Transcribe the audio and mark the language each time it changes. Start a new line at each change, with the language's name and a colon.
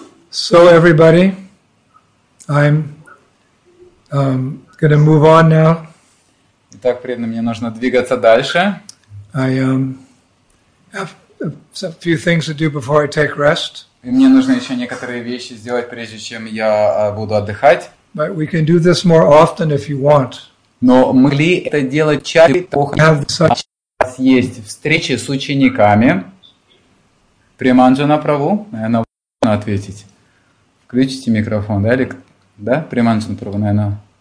English: So everybody, I'm gonna move on now.
Russian: Итак, преданным, мне нужно двигаться дальше.
English: I have a few things to do before I take rest.
Russian: И мне нужно еще некоторые вещи сделать, прежде чем я буду отдыхать.
English: But we can do this more often if you want.
Russian: Но могли это делать чаще, у нас есть встречи с учениками. Приманджана Прабу, наверное, можно ответить. Включите микрофон, да, или да? Приманджана Прабу, наверное.